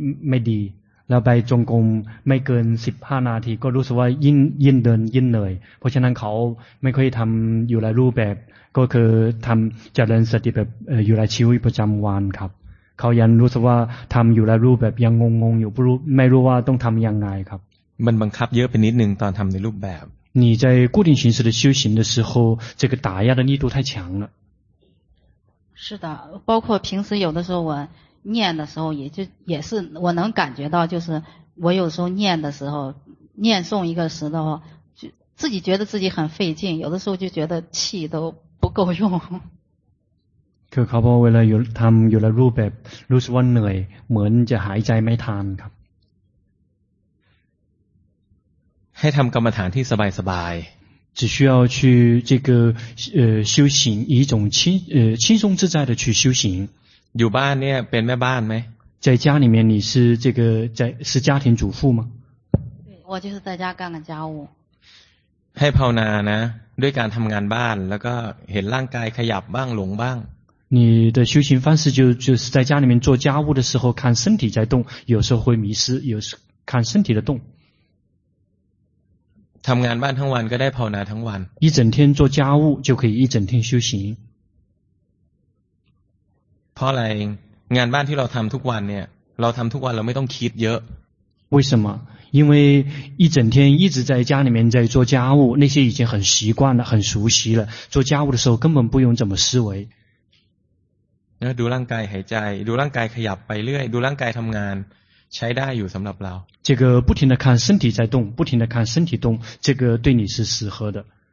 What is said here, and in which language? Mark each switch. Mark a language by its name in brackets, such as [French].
[Thai] ไม่ดีแล้วไปจงกรมไม่เกิน15นาทีก็รู้สึกว่ายิ่งเดินยิ่งเหนื่อยเพราะฉะนั้นเขาไม่ค่อยทำอยู่ในรูปแบบก็คือทำเจริญสติแบบอยู่ในชีวิตประจำวันครับเขายังรู้สึกว่าทำอยู่ในรูปแบบยังงงอยู่ไม่รู้ว่าต้องทำยังไงครับ มันบังคับเยอะไปนิดนึงตอนทำในรูปแบบ [Chinese] 你在固定形式的修行的时候这个打压的力度太强了是的包括平时有的时候我念的时候也是我能感觉到就是我有时候念的时候念诵一个时的话就自己觉得自己很费劲有的时候就觉得气都不够用可靠不为了有他们有了入白如此温暖门就还在没谈卡 [Thai] ให้ทำกรรมฐานที่สบายสบาย [Chinese] 只需要去这个修行以一种轻松自在的去修行 [Thai] อยู่บ้านเนี่ยเป็นแม่บ้านไหม [Chinese] 在家里面你是这个是家庭主妇吗我就是在家干了家务 [Thai] ให้ภาวนานะด้วยการทำงานบ้านแล้วก็เห็นร่างกายขยับบ้างหลงบ้าง [Chinese] 你的修行方式就是在家里面做家务的时候看身体在动，有时候会迷失，有时看身体的动。 [Thai] ทำงานบ้านทั้งวันก็ได้ภาวนาทั้งวัน。 [Chinese] 一整天做家务就可以一整天修行。 [Thai] เพราะอะไรงานบ้านที่เราทำทุกวันเนี่ยเราทำทุกวันเราไม่ต้องคิดเยอะ。 [Chinese] 为什么？因为一整天一直在家里面在做家务，那些已经很习惯了，很熟悉了。做家务的时候根本不用怎么思维。 [Thai] ดูร่างกายหายใจดูร่างกายขยับไปเรื่อยดูร่างกายทำงานใช้ได้อยู่สำหรับเรา [Chinese] 这个不停地看身体在动不停地看身体动这个对你是适合的